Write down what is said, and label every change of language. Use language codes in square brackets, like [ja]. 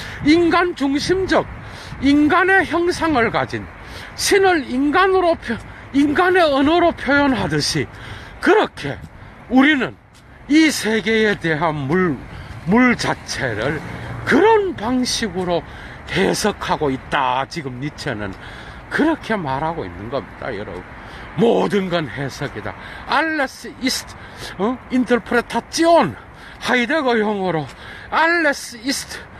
[ko] 인간 중심적, 인간의 형상을 가진, 신을 인간으로, 인간의 언어로 표현하듯이 그렇게 우리는 이 세계에 대한 물 자체를 그런 방식으로 해석하고 있다, 지금 니체는 그렇게 말하고 있는 겁니다, 여러분. 모든 건 해석이다. [de] Alles ist Interpretation. [ko] 하이데거 용어로 [de] Alles ist